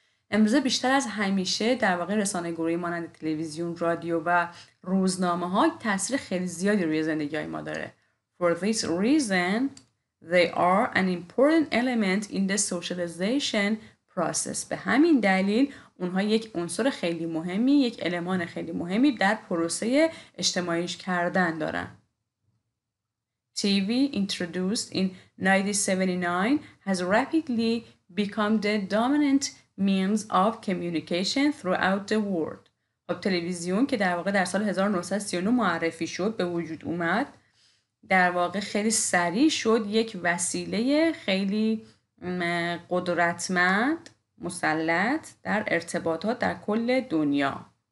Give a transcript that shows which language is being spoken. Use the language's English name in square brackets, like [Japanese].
[Persian] امروزه بیشتر از همیشه در واقع رسانه گروهی مانند تلویزیون، رادیو و روزنامه ها تأثیر خیلی زیادی روی زندگی های ما داره. [English] For this reason, they are an important element in the socialization process. [Persian] به همین دلیل اونها یک عنصر خیلی مهمی، یک المان خیلی مهمی در پروسه اجتماعیش کردن دارن. [English] TV introduced in 1979 has rapidly become the dominant means of communication throughout the world. [Persian] خب تلویزیون که در واقع در سال 1939 معرفی شد، به وجود اومد، در واقع خیلی سریع شد یک وسیله خیلی قدرتمند، مسلط در ارتباطات در کل دنیا.